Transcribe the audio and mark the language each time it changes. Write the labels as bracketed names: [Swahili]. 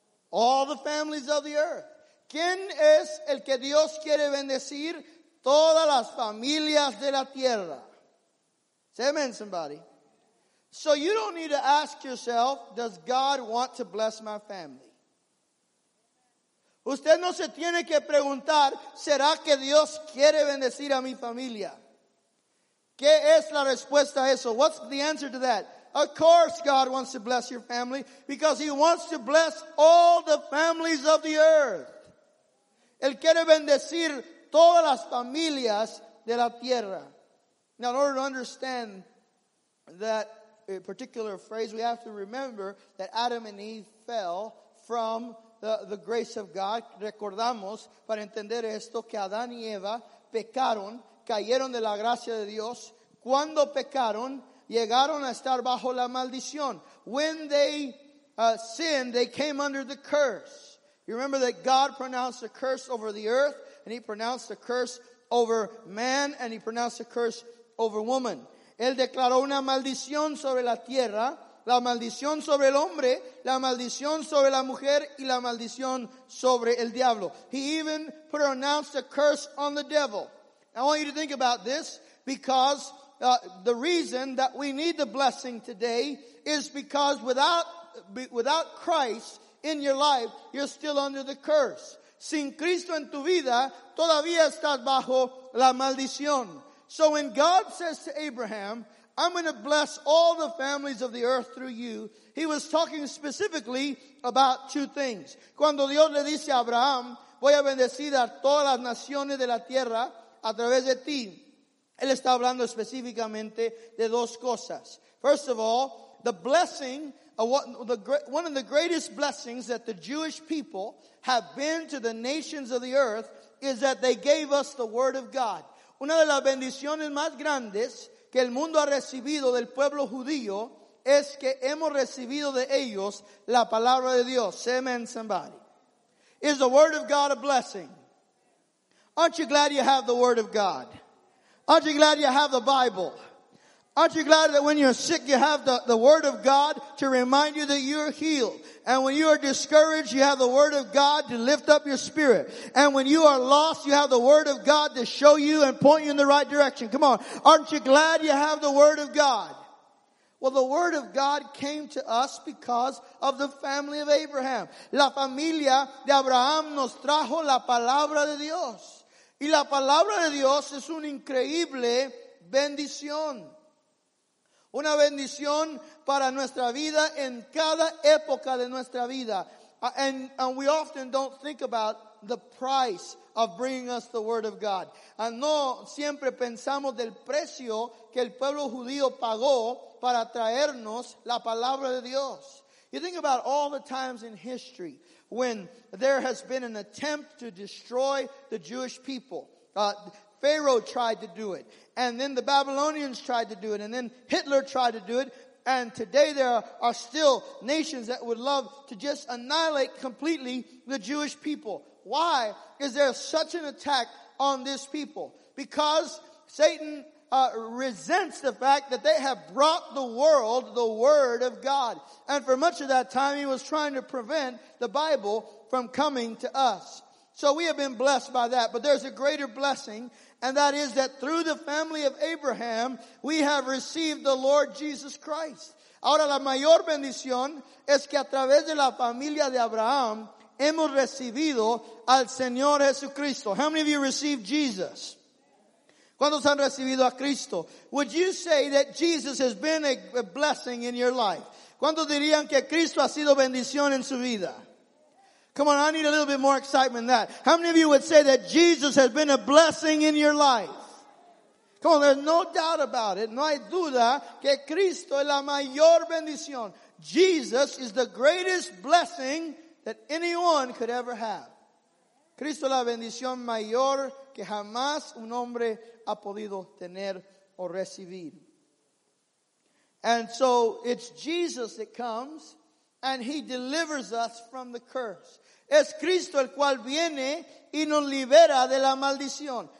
[English] All the families of the earth. [Spanish] ¿Quién es el que Dios quiere bendecir? Todas las familias de la tierra. [English] Say amen, somebody. So you don't need to ask yourself, does God want to bless my family? [Spanish] Usted no se tiene que preguntar, ¿será que Dios quiere bendecir a mi familia? ¿Qué es la respuesta a eso? [English] What's the answer to that? Of course God wants to bless your family because he wants to bless all the families of the earth. [Spanish] Él quiere bendecir todas las familias de la tierra. [English] Now in order to understand that particular phrase, we have to remember that Adam and Eve fell from the grace of God. [Spanish] Recordamos, para entender esto, que Adán y Eva pecaron, cayeron de la gracia de Dios. Cuando pecaron, llegaron a estar bajo la maldición. [English] When they sinned, they came under the curse. You remember that God pronounced a curse over the earth, and he pronounced a curse over man, and he pronounced a curse over woman. [Spanish] Él declaró una maldición sobre la tierra, la maldición sobre el hombre, la maldición sobre la mujer y la maldición sobre el diablo. [English] He even pronounced a curse on the devil. I want you to think about this because the reason that we need the blessing today is because without Christ in your life, you're still under the curse. [Spanish] Sin Cristo en tu vida, todavía estás bajo la maldición. [English] So when God says to Abraham, I'm going to bless all the families of the earth through you. He was talking specifically about two things. [Spanish] Cuando Dios le dice a Abraham, voy a bendecir a todas las naciones de la tierra a través de ti. Él está hablando específicamente de dos cosas. [English] First of all, the blessing, one of the greatest blessings that the Jewish people have been to the nations of the earth is that they gave us the word of God. [Spanish] Una de las bendiciones más grandes que el mundo ha recibido del pueblo judío es que hemos recibido de ellos la palabra de Dios. [English] Amen, somebody. Is the word of God a blessing? Aren't you glad you have the word of God? Aren't you glad you have the Bible? Aren't you glad that when you're sick, you have the word of God to remind you that you're healed? And when you are discouraged, you have the word of God to lift up your spirit. And when you are lost, you have the word of God to show you and point you in the right direction. Come on. Aren't you glad you have the word of God? Well, the word of God came to us because of the family of Abraham. [Spanish] La familia de Abraham nos trajo la palabra de Dios. Y la palabra de Dios es una increíble bendición. Una bendición para nuestra vida en cada época de nuestra vida. [English] And we often don't think about the price of bringing us the word of God. [Spanish] And no siempre pensamos del precio que el pueblo judío pagó para traernos la palabra de Dios. [English] You think about all the times in history when there has been an attempt to destroy the Jewish people. Pharaoh tried to do it, and then the Babylonians tried to do it, and then Hitler tried to do it, and today there are still nations that would love to just annihilate completely the Jewish people. Why is there such an attack on this people? Because Satan resents the fact that they have brought the world the word of God, and for much of that time he was trying to prevent the Bible from coming to us. So we have been blessed by that, but there's a greater blessing, and that is that through the family of Abraham, we have received the Lord Jesus Christ. [Spanish] Ahora la mayor bendición es que a través de la familia de Abraham, hemos recibido al Señor Jesucristo. [English] How many of you received Jesus? [Spanish] ¿Cuántos han recibido a Cristo? [English] Would you say that Jesus has been a blessing in your life? [Spanish] ¿Cuántos dirían que Cristo ha sido bendición en su vida? [English] Come on, I need a little bit more excitement than that. How many of you would say that Jesus has been a blessing in your life? Come on, there's no doubt about it. [Spanish] No hay duda que Cristo es la mayor bendición. [English] Jesus is the greatest blessing that anyone could ever have. [Spanish] Cristo es la bendición mayor que jamás un hombre ha podido tener o recibir. [English] And so it's Jesus that comes and he delivers us from the curse. [Spanish] Es Cristo el cual viene y nos libera de la maldición.